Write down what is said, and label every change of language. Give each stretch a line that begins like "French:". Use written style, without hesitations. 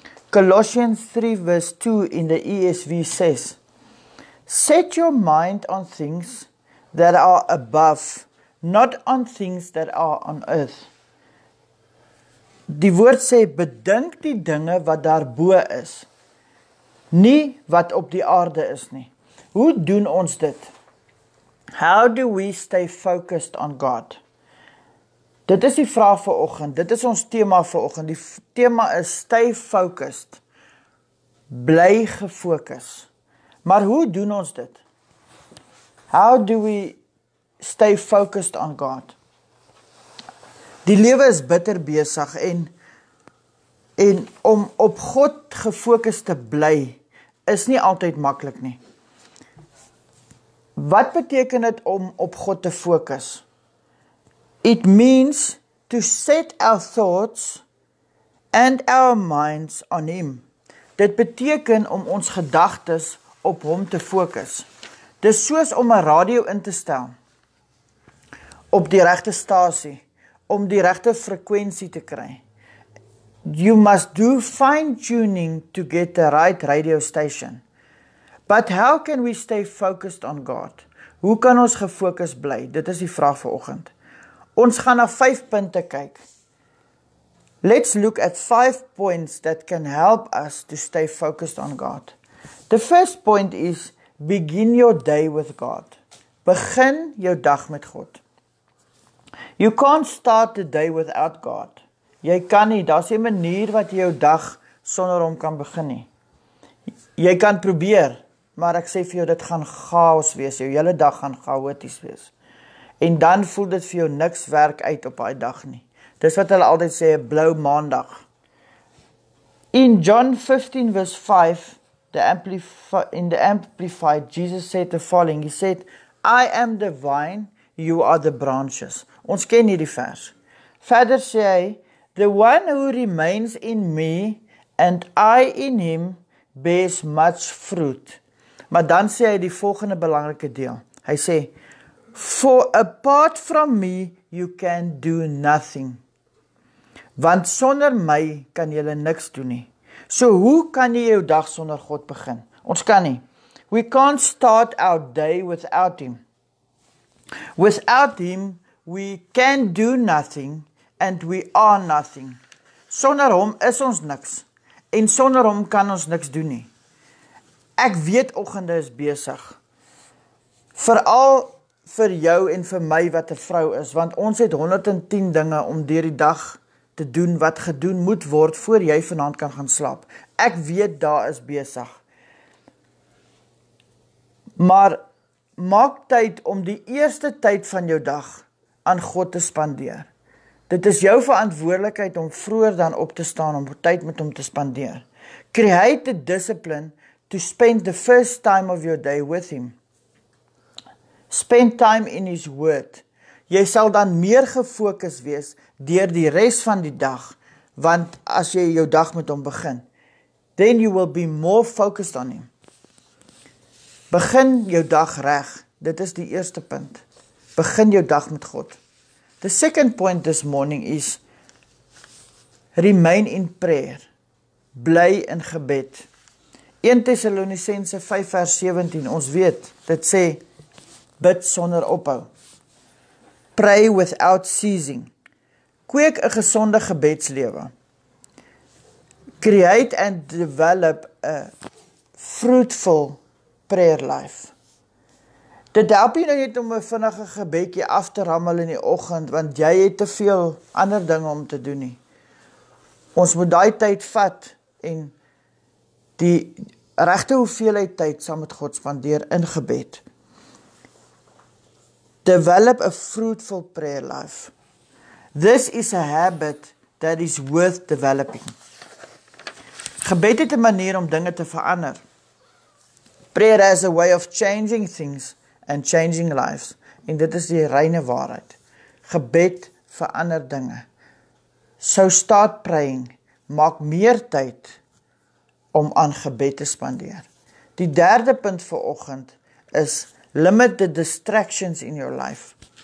English: Colossians 3 verse 2 in the ESV says, Set your mind on things that are above, not on things that are on earth.
Afrikaans: Die woord sê, bedink die dinge wat daarbo is, nie wat op die aarde is nie. Hoe doen ons dit?
English: How do we stay focused on God?
Afrikaans: Dit is die vraag vir oggend, dit is ons tema vir oggend. Die tema is
English: stay focused,
Afrikaans: bly gefokus. Maar hoe doen ons dit?
English: How do we stay focused on God?
Afrikaans: Die lewe is bitter besig en om op God gefokus te bly, is nie altyd maklik nie. Wat beteken dit om op God te fokus?
English: It means to set our thoughts and our minds on Him.
Afrikaans: Dit beteken om ons gedagtes op Hom te fokus. Dis soos om 'n radio in te stel op die regte stasie, om die regte frekwensie te kry.
English: You must do fine-tuning to get the right radio station. But how can we stay focused on God?
Afrikaans: Hoe kan ons gefokus bly? Dit is die vraag vir oggend. Ons gaan na 5 punte kyk.
English: Let's look at 5 points that can help us to stay focused on God. The first point is, begin your day with God.
Afrikaans: Begin jou dag met God.
English: You can't start the day without God.
Afrikaans: Jy kan nie, daar is 'n manier wat jy jou dag sonder hom kan begin nie. Jy kan probeer, maar ek sê vir jou, dit gaan chaos wees, jou hele dag gaan chaoties wees. En dan voel dit vir jou niks werk uit op die dag nie. Dis wat hulle altyd sê, blou maandag.
English: In John 15 verse 5, in the Amplified, Jesus said the following. He said, I am the vine, you are the branches.
Afrikaans: Ons ken hierdie vers. Verder sê hy,
English: The one who remains in me and I in him bears much fruit.
Afrikaans: Maar dan sê hy die volgende belangrike deel. Hy sê,
English: For apart from me, you can do nothing.
Afrikaans: Want sonder my kan jy niks doen nie. So hoe kan jy jou dag sonder God begin? Ons kan nie.
English: We can't start our day without him. Without him, we can do nothing and we are nothing.
Afrikaans: Sonder hom is ons niks. En sonder hom kan ons niks doen nie. Ek weet oggende is besig. Vooral vir jou en vir my wat 'n vrou is, want ons het 110 dinge om deur die dag te doen wat gedoen moet word voor jy vanaand kan gaan slaap. Ek weet daar is besig. Maar maak tyd om die eerste tyd van jou dag aan God te spandeer. Dit is jou verantwoordelikheid om vroeër dan op te staan om tyd met hom te spandeer.
English: Create the discipline to spend the first time of your day with him. Spend time in his word.
Afrikaans: Jy sal dan meer gefokus wees deur die res van die dag, want as jy jou dag met hom begin,
English: then you will be more focused on him.
Afrikaans: Begin jou dag reg. Dit is die eerste punt. Begin jou dag met God.
English: The second point this morning is, remain in prayer.
Afrikaans: Bly in gebed. 1 Tessalonisense 5 vers 17, ons weet, dit sê, Bid sonder ophou.
English: Pray without ceasing.
Afrikaans: Kweek 'n gesonde gebedslewe.
English: Create and develop a fruitful prayer life.
Afrikaans: Dit help jy nou net om 'n vinnige gebedjie af te rammel in die oggend, want jy het te veel ander dinge om te doen nie. Ons moet daai tyd vat en die regte hoeveelheid tyd saam met God spandeer in gebed.
English: Develop a fruitful prayer life. This is a habit that is worth developing.
Afrikaans: Gebed het 'n manier om dinge te verander.
English: Prayer has a way of changing things and changing lives.
Afrikaans: En dit is die reine waarheid. Gebed verander dinge.
English: So start praying.
Afrikaans: Maak meer tyd om aan gebed te spandeer. Die derde punt vir oggend is
English: limit the distractions in your life.